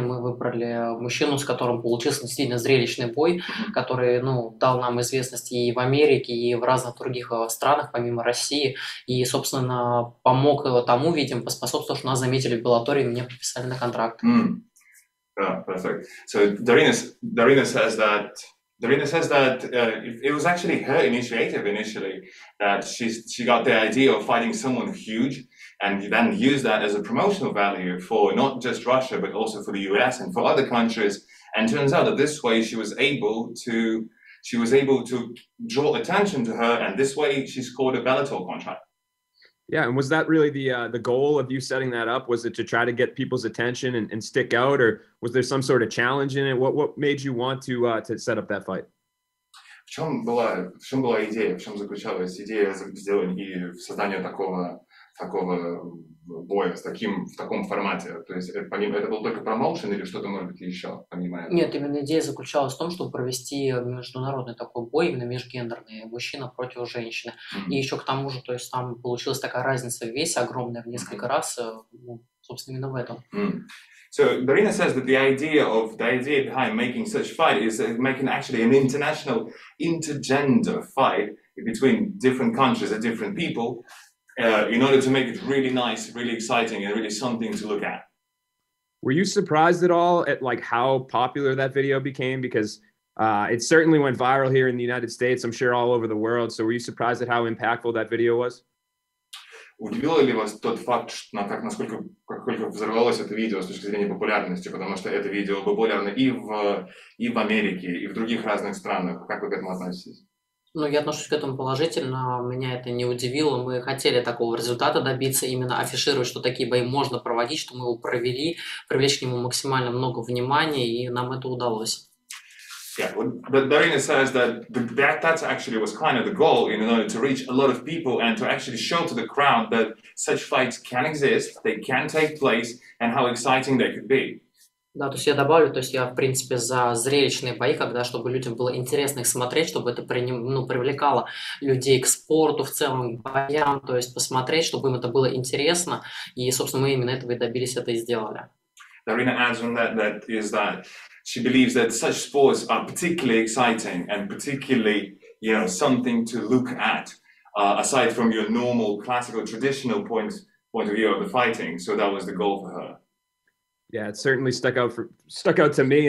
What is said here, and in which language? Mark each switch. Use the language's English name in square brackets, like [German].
[Russian] Мы выбрали мужчину, с которым получился действительно зрелищный бой, который, ну, дал нам известность и в Америке, и в разных других странах, помимо России. И, собственно, помог тому, видимо, поспособствовал, что нас заметили в Беллаторе и мне подписали на контракт. [English] Да, perfect. Дарина says that it was actually her initiative initially that she got the idea of fighting someone huge and then used that as a promotional value for not just Russia but also for the US and for other countries. And turns out that this way she was able to draw attention to her, and this way she scored a Bellator contract. Yeah, and was that really the goal of you setting that up? Was it to try to get people's attention and stick out, or was there some sort of challenge in it? What made you want to set up that fight? [Russian] В чем была идея? В чем заключалась идея сделания и создания такого боя в таком формате? То есть помимо это был только промоушен или что-то, может быть, еще помимо этого? Нет, именно идея заключалась в том, чтобы провести международный такой бой, именно межгендерный, мужчина против женщины. Mm-hmm. И еще к тому же, то есть там получилась такая разница в весе огромная в несколько раз, ну, собственно, именно в этом. Mm-hmm. [English] So Darina says that the idea behind making such fight is making actually an international intergender fight between different countries and different people. In order to make it really nice, really exciting, and really something to look at. Were you surprised at all at like how popular that video became? Because it certainly went viral here in the United States, I'm sure all over the world. So were you surprised at how impactful that video was? [Russian] Удивило ли вас тот факт, насколько взорвалось это видео с точки зрения популярности? Потому что это видео популярно и в Америке, и в других разных странах. Как вы к этому относитесь? Ну, я отношусь к этому положительно, меня это не удивило. Мы хотели такого результата добиться, именно афишировать, что такие бои можно проводить, что мы его провели, привлечь к нему максимально много внимания, и нам это удалось. [English] Yeah, well, Darina says that actually was kind of the goal in order to reach a lot of people and to actually show to the crowd that such fights can exist, they can take place, and how exciting they could be. [Russian] Да, то есть я добавлю, то есть я, в принципе, за зрелищные бои, когда, чтобы людям было интересно их смотреть, чтобы это привлекало людей к спорту, в целом, к боям, то есть посмотреть, чтобы им это было интересно, и, собственно, мы именно этого и добились, это и сделали. [English] Darina adds on that is that she believes that such sports are particularly exciting and particularly, you know, something to look at, aside from your normal, classical, traditional point of view of the fighting, so that was the goal for her. Yeah, it certainly stuck out to me.